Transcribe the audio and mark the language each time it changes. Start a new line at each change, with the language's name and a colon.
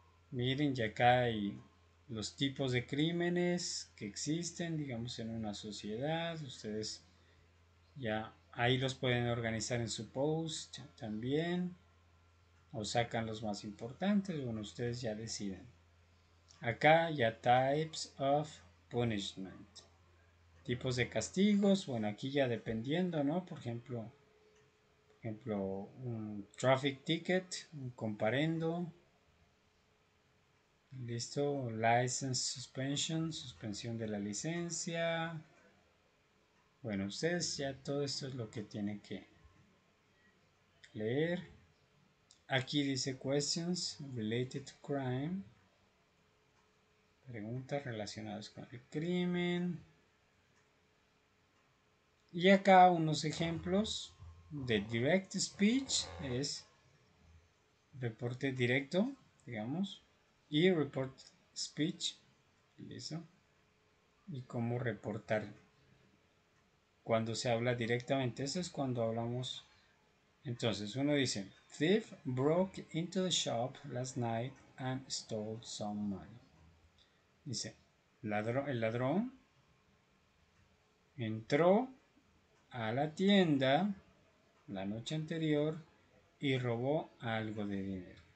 Spanish: Miren, ya acá hay los tipos de crímenes que existen, digamos, en una sociedad. Ustedes ya ahí los pueden organizar en su post también. O sacan los más importantes. Bueno, ustedes ya deciden. Acá ya
English: types of punishment.
Spanish: Tipos de castigos. Bueno, aquí ya dependiendo, ¿no? Por ejemplo, un traffic ticket, un comparendo. Listo.
English: License suspension,
Spanish: suspensión de la licencia. Bueno, ustedes ya todo esto es lo que tienen que leer. Aquí dice
English: questions related to crime.
Spanish: Preguntas relacionadas con el crimen. Y acá unos ejemplos de direct speech. Es reporte directo, digamos. Y report speech. Listo. Y cómo reportar cuando se habla directamente. Eso es cuando hablamos. Entonces, uno dice:
English: Thief broke into the shop last night and stole some money.
Spanish: Dice: el ladrón entró a la tienda la noche anterior y robó algo de dinero.